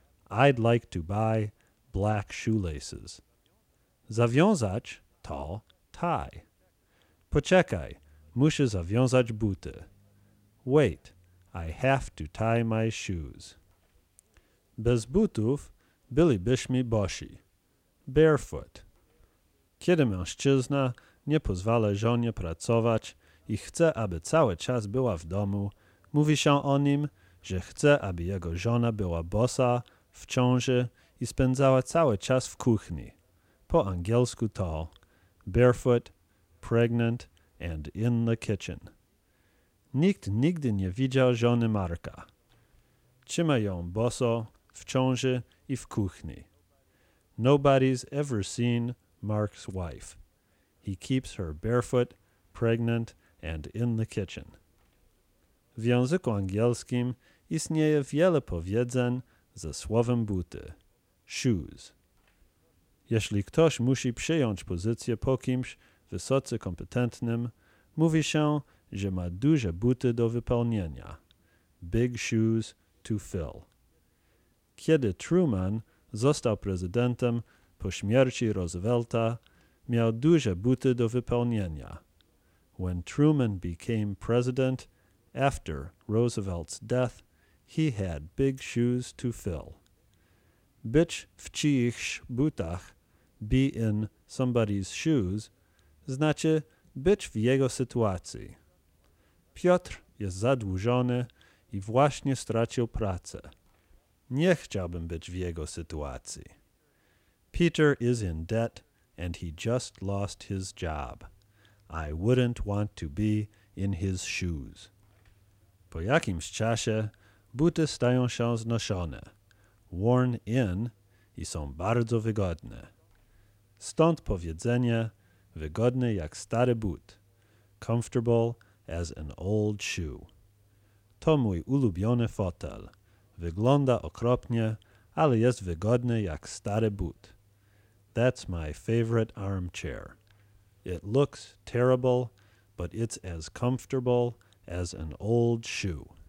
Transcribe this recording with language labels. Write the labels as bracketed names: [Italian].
[English] I'd like to buy black shoelaces. [Polish] Zawiązać to tie. Poczekaj, muszę zawiązać buty. [English] Wait, I have to tie my shoes. [Polish] Bez butów bylibyśmy bosi. Barefoot. Kiedy mężczyzna nie pozwala żonie pracować i chce, aby cały czas była w domu, mówi się o nim, że chce, aby jego żona była bosa, w ciąży i spędzała cały czas w kuchni. Po angielsku to [English] barefoot, pregnant and in the kitchen. [Polish] Nikt nigdy nie widział żony Marka. Trzyma ją boso, w ciąży i w kuchni. [English] Nobody's ever seen Mark's wife. He keeps her barefoot, pregnant and in the kitchen. [Polish] W języku angielskim istnieje wiele powiedzeń ze słowem buty, shoes. Jeśli ktoś musi przejąć pozycję po kimś wysoce kompetentnym, mówi się, że ma duże buty do wypełnienia, [English] big shoes to fill. [Polish] Kiedy Truman został prezydentem po śmierci Roosevelta, miał duże buty do wypełnienia. [English] When Truman became president after Roosevelt's death, he had big shoes to fill. [Polish] Być w czyichś butach, [English] be in somebody's shoes, [Polish] znaczy być w jego sytuacji. Piotr jest zadłużony i właśnie stracił pracę. Nie chciałbym być w jego sytuacji. [English] Peter is in debt and he just lost his job. I wouldn't want to be in his shoes. [Polish] Po jakimś czasie buty stają się znoszone, worn in i są bardzo wygodne. Stąd powiedzenie wygodny jak stary but, [English] comfortable as an old shoe. [Polish] To mój ulubiony fotel, Wygląda okropnie, ale jest wygodny jak stary but. [English] That's my favorite armchair. It looks terrible, but it's as comfortable as an old shoe.